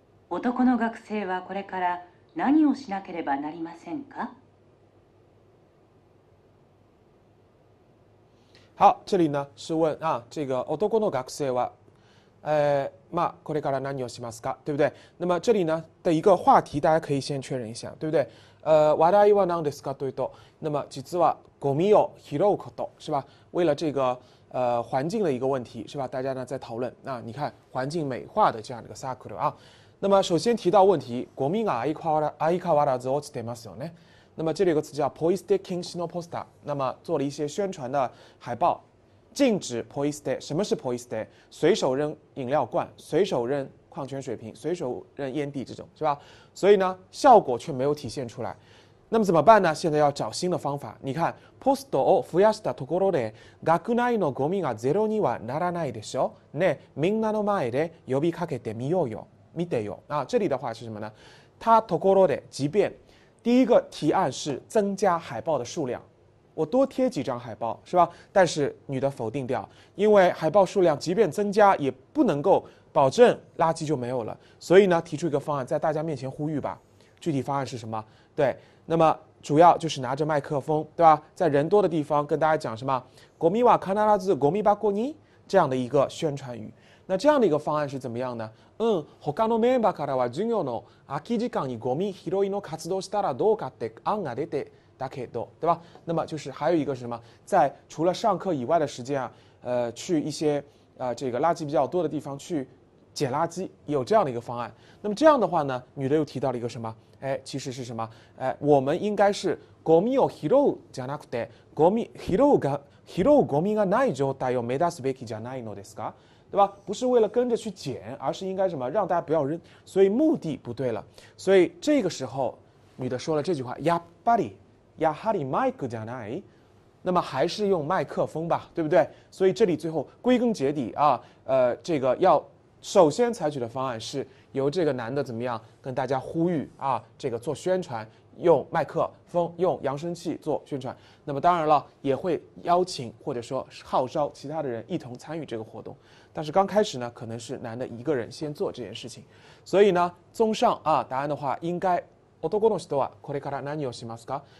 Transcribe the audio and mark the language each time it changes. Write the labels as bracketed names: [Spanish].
[Japanese] 男の学生はこれから何をしなければなりませんか？ [Chinese] 好、这里呢是问啊，这个 [Japanese] 男の学生は、まあこれから何をしますか？ [Chinese] 对不对？那么这里呢的一个话题，大家可以先确认一下，对不对？ [Japanese] 話題は何ですか？というと、那么実はゴミを拾うこと， [Chinese] 是吧？为了这个环境的一个问题，是吧？大家呢在讨论。那你看环境美化的这样的一个サークル啊。那么首先提到问题， [Japanese] ゴミが相変わらず落ちてますよね。 [Chinese] 那么这里有个词叫 [Japanese] ポイ捨て禁止のポスター。 [Chinese] 那么做了一些宣传的海报。 [Japanese] 禁止ポイ捨て， [Chinese] 什么是ポイ捨て？随手扔饮料罐，随手扔矿泉水瓶，随手扔烟蒂，这种是吧？所以呢，效果却没有体现出来。那么怎么办呢？现在要找新的方法。 [Japanese] 你看，ポストを増やしたところで、学内のゴミがゼロにはならないでしょ？ね、みんなの前で呼びかけてみようよ、見てよ。 [Chinese] 啊，这里的话是什么呢？他ところで，即便第一个提案是增加海报的数量。我多贴几张海报是吧，但是女的否定掉，因为海报数量即便增加也不能够保证垃圾就没有了，所以呢提出一个方案在大家面前呼吁吧。具体方案是什么？对，那么主要就是拿着麦克风，对吧，在人多的地方跟大家讲什么 [Japanese] ゴミは必ずゴミ箱に， [Chinese] 这样的一个宣传语。那这样的一个方案是怎么样呢？ [Japanese] 嗯，他のメンバーからは授業の空き時間にゴミ拾いの活動したらどうかって案が出て， [Chinese] 大家可以多，对吧？那么就是还有一个是什么，在除了上课以外的时间啊，去一些这个垃圾比较多的地方去捡垃圾，有这样的一个方案。那么这样的话呢，女的又提到了一个什么？哎，其实是什么？哎，我们应该是 [Japanese] ゴミを拾うじゃなくて、ゴミ拾うが拾うゴミがない状態を目指すべきじゃないのですか？ [Chinese] 对吧？不是为了跟着去捡，而是应该什么？让大家不要扔，所以目的不对了。所以这个时候，女的说了这句话： [Japanese] やっぱり。やはりマイクじゃない， [Chinese] 那么还是用麦克风吧，对不对？所以这里最后归根结底啊，这个要首先采取的方案是由这个男的怎么样跟大家呼吁啊，这个做宣传，用麦克风，用扬声器做宣传。那么当然了，也会邀请或者说号召其他的人一同参与这个活动。但是刚开始呢，可能是男的一个人先做这件事情。所以呢，综上啊，答案的话应该。 [Japanese] 男の人はこれから何をしますか？